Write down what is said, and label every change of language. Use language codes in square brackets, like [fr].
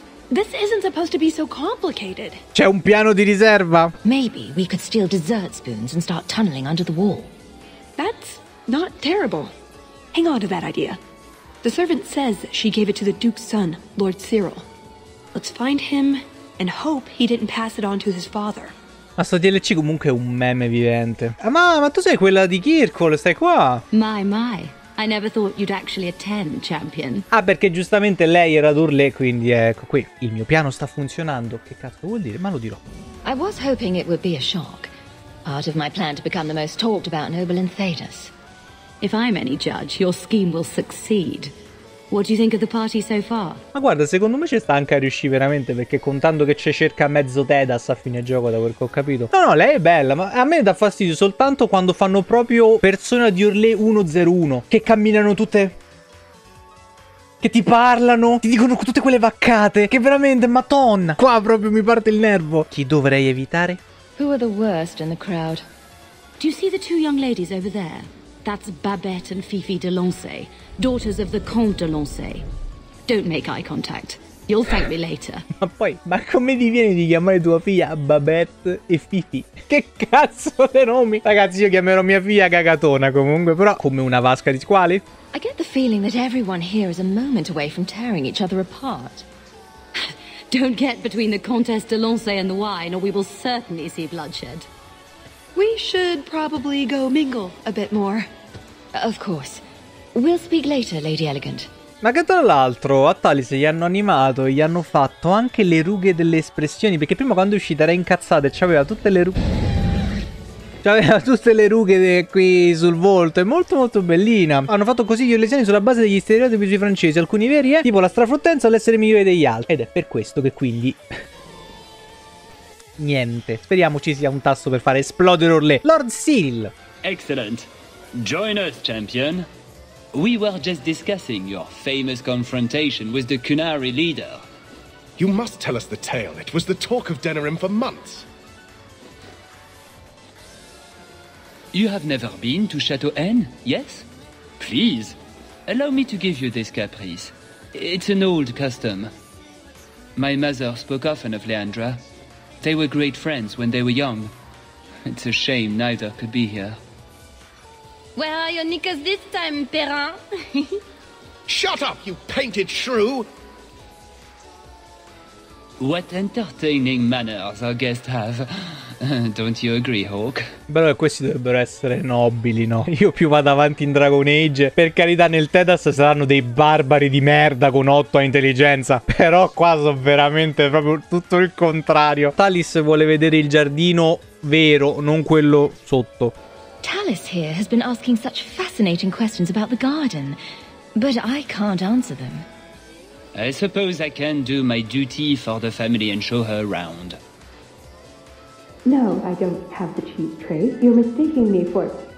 [en] This isn't supposed to be so complicated. [it] C'è un piano di riserva. [en] Maybe we could steal dessert spoons and start tunneling under the wall. That's not terrible. Hang on to that idea. The servant says she gave it to the Duke's son, Lord Cyril. Let's find him and hope he didn't pass it on to his father. [it] Ma sto DLC comunque è un meme vivente. Ma tu sei quella di Kirkul, stai qua. [en] My. I never thought you'd actually attend, champion. [it] Ah, perché giustamente lei era d'Urle, quindi ecco qui. Il mio piano sta funzionando. Che cazzo vuol dire? Ma lo dirò. [en] I was hoping it would be a shock. Part of my plan to become the most talked about noble in Thedas. If I'm any judge, your scheme will succeed. What do you think of the party so far? [it] Ma guarda, secondo me ci sta anche a riuscire veramente, perché contando che c'è circa mezzo Thedas a fine gioco, da quel che ho capito. No, lei è bella, ma a me dà fastidio soltanto quando fanno proprio persona di Urle 101, che camminano tutte, che ti parlano, ti dicono tutte quelle vaccate, che veramente, madonna, qua proprio mi parte il nervo. Chi dovrei evitare? [en] Who are the worst in the crowd? Do you see the two young ladies over there? That's Babette and Fifi de Lancey, daughters of the Comte de Lancey. Don't make eye contact. You'll thank me later. [it] Ma poi, ma come ti viene di chiamare tua figlia Babette e Fifi? Che cazzo dei nomi? Ragazzi, io chiamerò mia figlia Cagatona comunque, però come una vasca di squali. [en] I get the feeling that everyone here is a moment away from tearing each other apart. Don't get between the Comtesse de Lancey and the wine, or we will certainly see bloodshed. We should probably go mingle a bit more. Of course. We'll speak later, Lady Elegant. [it] Ma che tra l'altro, a Talis gli hanno animato e gli hanno fatto anche le rughe delle espressioni, perché prima quando è uscita era incazzata e c'aveva tutte le rughe. C'aveva tutte le rughe qui sul volto. È molto molto bellina. Hanno fatto così gli orlesiani sulla base degli stereotipi sui francesi, alcuni veri, tipo la strafruttenza o l'essere migliore degli altri. Ed è per questo che quindi... niente. Speriamo ci sia un tasto per fare esplodere Urle. [en] Lord Cyril! Excellent. Join us, champion. We were just discussing your famous confrontation with the Qunari leader. You must tell us the tale. It was the talk of Denerim for months. You have never been to Chateau Anne, yes? Please, allow me to give you this caprice. It's an old custom. My mother spoke often of Leandra. They were great friends when they were young. It's a shame neither could be here. Where are your knickers this time, Perrin? Shut up, you painted shrew! What entertaining manners our guests have. Don't you agree, Hawk? [it] Però questi dovrebbero essere nobili, no? Io più vado avanti in Dragon Age. Per carità, nel Thedas saranno dei barbari di merda con 8 a intelligenza. Però qua sono veramente proprio tutto il contrario. Talis vuole vedere il giardino vero, non quello sotto. [en] Talis here has been asking such fascinating questions about the garden. But I can't answer them. I suppose I can do my duty for the family and show her around. No, I don't have the cheese tray. You're mistaking me for...